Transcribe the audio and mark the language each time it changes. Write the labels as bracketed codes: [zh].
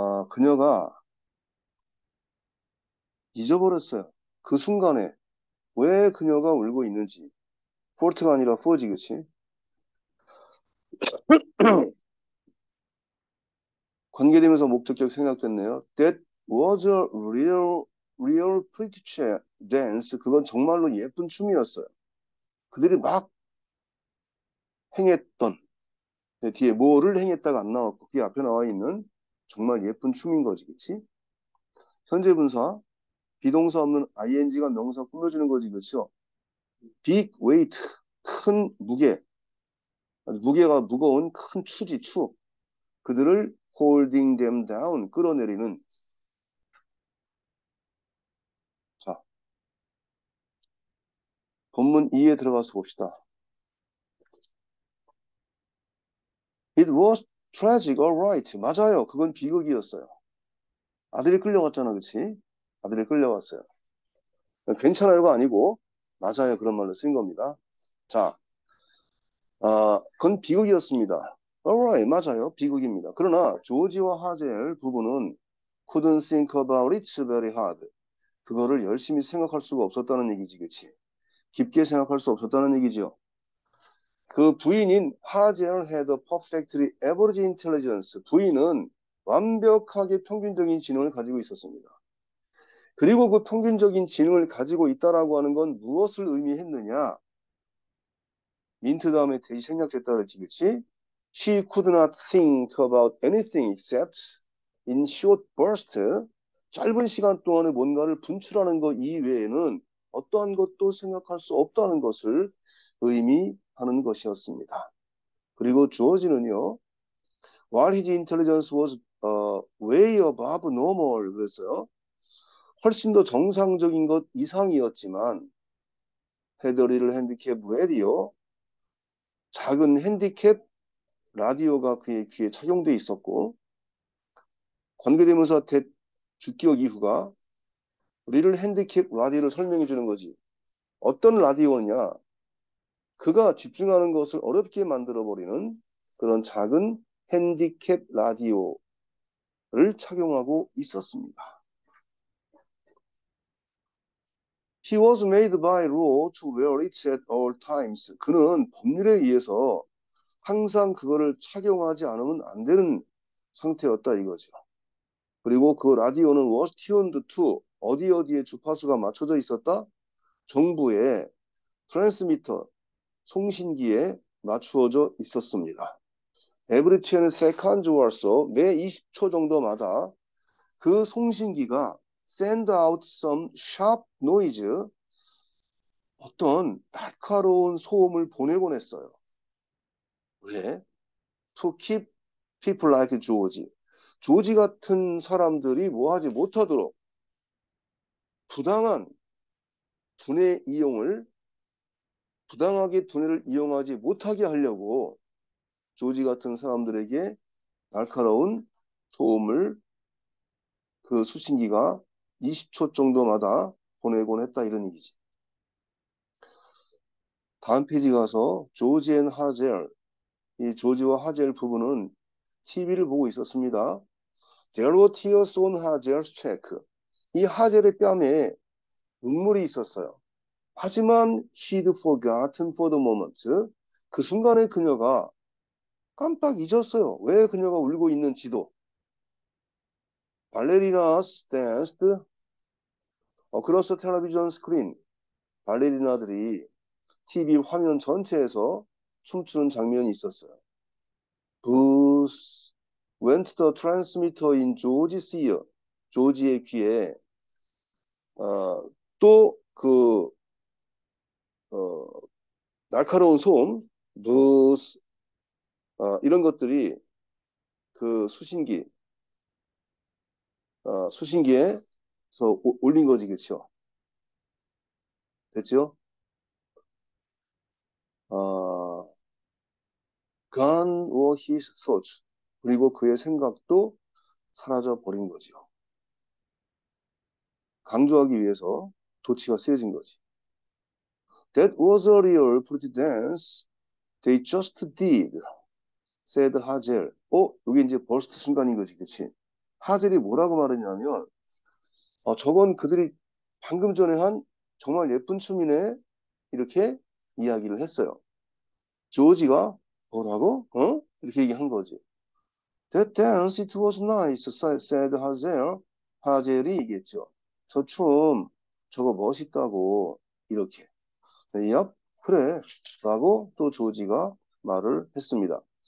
[ko] 그녀가 잊어버렸어요. 그 순간에 왜 그녀가 울고 있는지. Fort가 아니라 for지, 그치? 관계되면서 목적격 생략됐네요. [en] That was a real pretty chair dance. [ko] 그건 정말로 예쁜 춤이었어요. 그들이 막 행했던. 뒤에 뭐를 행했다가 안 나왔고, 그 앞에 나와 있는 정말 예쁜 춤인 거지, 그치? 현재 분사, 비동사 없는 ing가 명사 꾸며주는 거지, 그쵸? big weight, 큰 무게. 무게가 무거운 큰 추지, 추. 그들을 [en] holding them down, [ko] 끌어내리는. 본문 2에 들어가서 봅시다. [en] It was tragic, alright. [ko] 맞아요. 그건 비극이었어요. 아들이 끌려갔잖아, 그치? 아들이 끌려갔어요. 괜찮아요가 아니고, 맞아요. 그런 말로 쓰인 겁니다. 자, 그건 비극이었습니다. Alright, 맞아요. 비극입니다. 그러나, 조지와 하젤 부부는 [en] couldn't think about it very hard. [ko] 그거를 열심히 생각할 수가 없었다는 얘기지, 그치? 깊게 생각할 수 없었다는 얘기지요. 그 부인인 [en] 하젤 had a perfectly average intelligence. [ko] 부인은 완벽하게 평균적인 지능을 가지고 있었습니다. 그리고 그 평균적인 지능을 가지고 있다라고 하는 건 무엇을 의미했느냐? 민트 다음에 돼지 생략됐다 그랬지, 그치? [en] She could not think about anything except in short burst. [ko] 짧은 시간 동안에 뭔가를 분출하는 것 이외에는 어떠한 것도 생각할 수 없다는 것을 의미하는 것이었습니다. 그리고 조지는요, [en] while his intelligence was way above normal, [ko] 그랬어요. 훨씬 더 정상적인 것 이상이었지만, [en] had a little handicap radio, [ko] 작은 핸디캡 라디오가 그의 귀에 착용돼 있었고, 관계대명사 대 주격 이후가 little handicap 라디오를 설명해 주는 거지. 어떤 라디오냐? 그가 집중하는 것을 어렵게 만들어 버리는 그런 작은 핸디캡 라디오를 착용하고 있었습니다. [en] He was made by law to wear it at all times. [ko] 그는 법률에 의해서 항상 그거를 착용하지 않으면 안 되는 상태였다 이거죠. 그리고 그 라디오는 [en] was tuned to [ko] 어디 어디에 주파수가 맞춰져 있었다? 정부의 트랜스미터, 송신기에 맞추어져 있었습니다. [en] Every 10 seconds or so, [ko] 매 20초 정도마다 그 송신기가 [en] send out some sharp noise, [ko] 어떤 날카로운 소음을 보내곤 했어요. 왜? [en] To keep people like George. [ko] 조지 같은 사람들이 뭐 하지 못하도록 부당한 두뇌 이용을, 부당하게 두뇌를 이용하지 못하게 하려고 조지 같은 사람들에게 날카로운 소음을 그 수신기가 20초 정도마다 보내곤 했다 이런 얘기지. 다음 페이지 가서 조지 앤 하젤, 이 조지와 하젤 부부는 TV를 보고 있었습니다. [en] There were tears on Hazel's cheek. [ko] 이 하젤의 뺨에 눈물이 있었어요. 하지만 [en] she'd forgotten for the moment. [ko] 그 순간에 그녀가 깜빡 잊었어요. 왜 그녀가 울고 있는지도. [en] 발레리나스 댄스드 어크로스 텔레비전 스크린. [ko] 발레리나들이 TV 화면 전체에서 춤추는 장면이 있었어요. [en] Booth went the transmitter in George's ear. [ko] 조지의 귀에, 또 그, 날카로운 소음, Booth, 이런 것들이 그 수신기, 수신기에서 올린 거지, 그쵸? 됐죠? [en] Gone were his thoughts. [ko] 그리고 그의 생각도 사라져버린 거죠. 강조하기 위해서 도치가 쓰여진 거지. [en] That was a real pretty dance. They just did, said Hazel. [ko] 이게 이제 버스트 순간인 거지, 그치? Hazel이 뭐라고 말했냐면, 저건 그들이 방금 전에 한 정말 예쁜 춤이네. 이렇게 이야기를 했어요. 조지가 뭐라고? 어? 이렇게 얘기한 거지. [en] That dance, it was nice, said Hazel. [ko] 하젤이 얘기했죠. 저 춤, 저거 멋있다고, 이렇게. Yep, 그래. 라고 또 조지가 말을 했습니다.